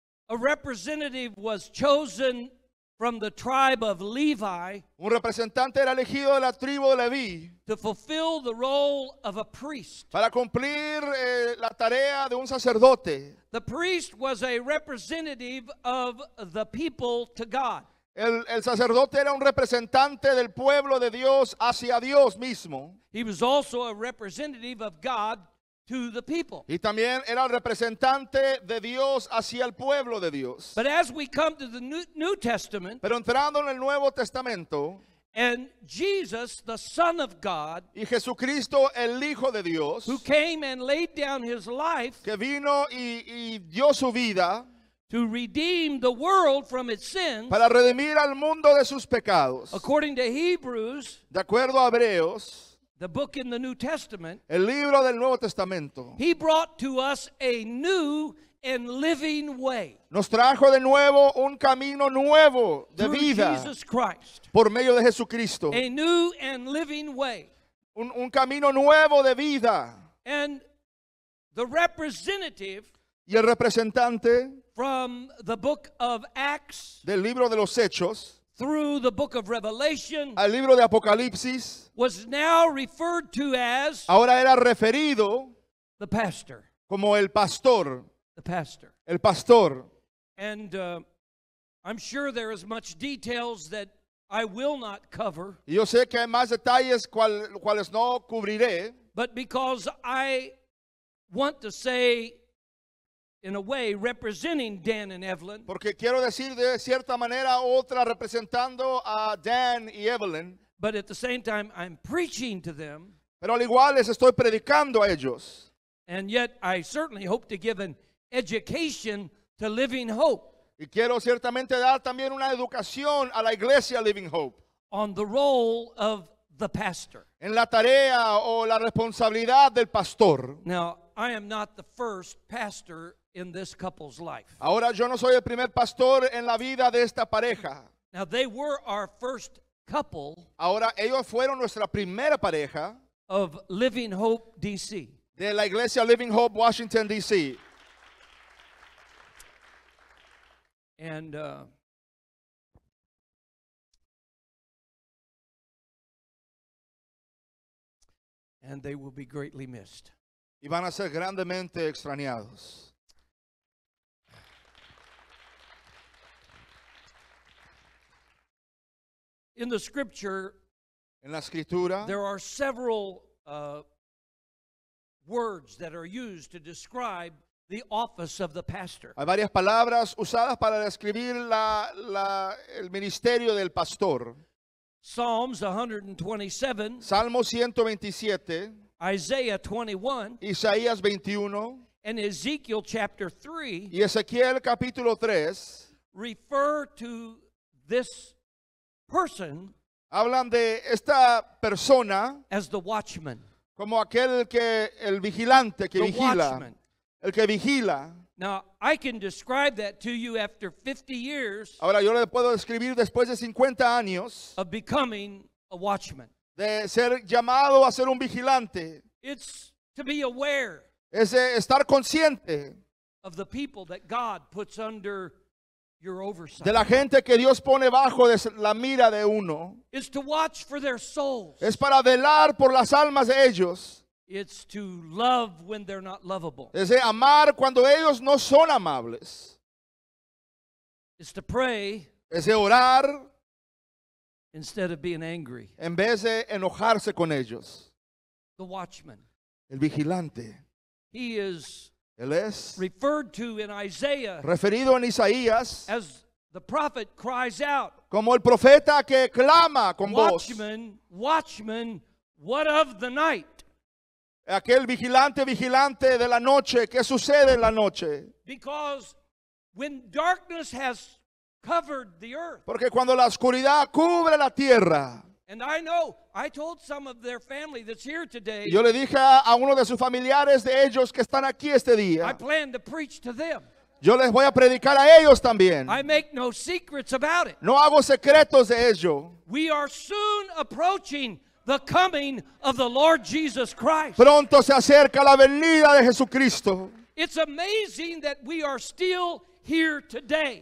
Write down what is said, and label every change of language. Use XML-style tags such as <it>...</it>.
<en>a representative was chosen from the tribe of Levi,</en> <es>un representante era elegido de la tribu de Leví,</es> <en>to fulfill the role of a priest,</en> <es>para cumplir la tarea de un sacerdote.</es> <en>The priest was a representative of the people to God.</en> <es>El sacerdote era un representante del pueblo de Dios hacia Dios mismo.</es> <en>He was also a representative of God to the people.</en> <es>Y también era el representante de Dios hacia el pueblo de Dios.</es> <en>But as we come to the New Testament,</en> <es>pero entrando en el Nuevo Testamento,</es> <en>and Jesus, the Son of God,</en> <es>y Jesucristo, el Hijo de Dios,</es> <en>who came and laid down his life,</en> <es>que vino y dio su vida,</es> <en>to redeem the world from its sins,</en> <es>para redimir al mundo de sus pecados,</es> <en>according to Hebrews,</en> <es>de acuerdo a Hebreos,</es> <en>the book in the New Testament,</en> <es>el libro del Nuevo Testamento,</es> <en>he brought to us a new and living way.</en> <es>Nos trajo de nuevo un camino nuevo de</es> <en>through</en> <es>vida.</es> <en>Jesus Christ,</en> <es>por medio de Jesucristo.</es> <en>A new and living way.</en> <es>Un camino nuevo de vida.</es> <en>And the representative,</en> <es>y el representante,</es> <en>from the book of Acts,</en> <es>del libro de los Hechos,</es> <en>through the book of Revelation,</en> <es>al libro de Apocalipsis,</es> <en>was now referred to as,</en> <es>ahora era referido,</es> <en>the pastor,</en> <es>como el pastor,</es> <en>the pastor,</en> <es>el pastor.</es> <en>And I'm sure there is much details that I will not cover.</en> <es>Yo sé que hay más detalles cuales no cubriré.</es> <en>But because I want to say, in a way, representing Dan and Evelyn.</en> <es>Porque quiero decir de cierta manera otra representando a Dan y Evelyn.</es> <en>But at the same time, I'm preaching to them.</en> <es>Pero al igual les estoy predicando a ellos.</es> <en>And yet, I certainly hope to give an education to Living Hope.</en> <es>Y quiero ciertamente dar también una educación a la iglesia Living Hope.</es> <en>On the role of the pastor.</en> <es>En la tarea o la responsabilidad del pastor.</es> <en>Now, I am not the first pastor in this couple's life.</en> <es>Ahora yo no soy el primer pastor en la vida de esta pareja.</es> <en>Now they were our first couple.</en> <es>Ahora ellos fueron nuestra primera pareja.</es> <en>Of Living Hope DC.</en> <es>De la iglesia Living Hope Washington DC.</es> <en>And and they will be greatly missed.</en> <es>Y van a ser grandemente extrañados.</es> <en>In the scripture,</en> <es>en la escritura,</es> <en>there are several words that are used to describe the office of the pastor.</en> <es>Hay varias palabras usadas para describir el ministerio del pastor.</es> <en>Psalms 127.</en> <es>Salmo 127.</es> <en>Isaiah 21.</en> <es>Isaías 21.</es> <en>And Ezekiel chapter 3.</en> <es>Y Ezequiel capítulo 3.</es> <en>Refer to this person.</en> <es>Hablan de esta persona.</es> <en>As the watchman.</en> <es>Como aquel que el vigilante que</es> <en>the</en> <es>vigila.</es> <en>Watchman.</en> <es>El que vigila.</es> <en>Now I can describe that to you after 50 years.</en> <es>Ahora yo le puedo describir después de 50 años.</es> <en>Of becoming a watchman.</en> <es>De ser llamado a ser un vigilante.</es> <en>It's to be aware.</en> <es>Es de estar consciente.</es> <en>Of the people that God puts under your oversight.</en> <es>De la gente que Dios pone bajo de la mira de uno.</es> <en>It's to watch for their souls.</en> <es>Es para velar por las almas de ellos.</es> <en>It's to love when they're not lovable.</en> <es>Es de amar cuando ellos no son amables.</es> <en>is to pray</en> <es>es orar</es> <en>instead of being angry.</en> <es>En vez de enojarse con ellos.</es> <en>The watchman.</en> <es>El vigilante.</es> <en>He is</en> <es>él es</es> <en>referred to in Isaiah</en> <es>referido en Isaías</es> <en>as the prophet cries out.</en> <es>Como el profeta que clama con</es> <en>watchman,</en> <es>voz.</es> <en>Watchman, what of the night?</en> <es>Aquel vigilante, vigilante de la noche, ¿qué sucede en la noche?</es> <en>Because when darkness has covered the earth.</en> <es>Porque cuando la oscuridad cubre la tierra.</es> <en>And I know, I told some of their family that's here today.</en> <es>Yo le dije a uno de sus familiares de ellos que están aquí este día.</es> <en>I plan to preach to them.</en> <es>Yo les voy a predicar a ellos también.</es> <en>I make no secrets about it.</en> <es>No hago secretos de ello.</es> <en>We are soon approaching the coming of the Lord Jesus Christ.</en> <es>Pronto se acerca la venida de Jesucristo.</es> <en>It's amazing that we are still here today.</en>